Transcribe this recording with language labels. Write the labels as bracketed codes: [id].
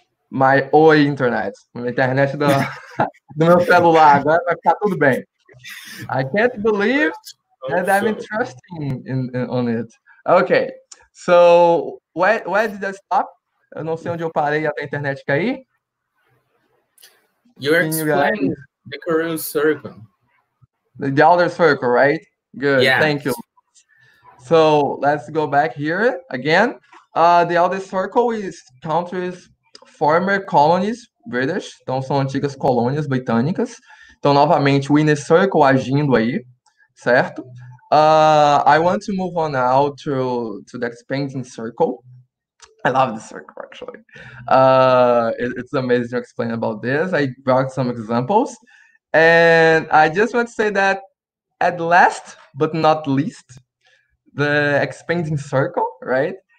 [pt] My oi internet, minha internet do meu celular, agora vai ficar tudo bem. [en] I can't believe that I'm interested in on it. Okay, so where did I stop? [pt] Eu não sei onde eu parei até a internet cair. [en] You're explaining the current circle. The outer circle, right? Good, yes. Thank you. So let's go back here again. The outer circle is countries former colonies British, [pt] então são antigas colônias britânicas. Então, novamente, o Inner Circle agindo aí, certo? [en] I want to move on now to the expanding circle. I love the circle, actually. It's amazing to explain about this. I brought some examples. And I just want to say that at last, but not least, the expanding circle, right?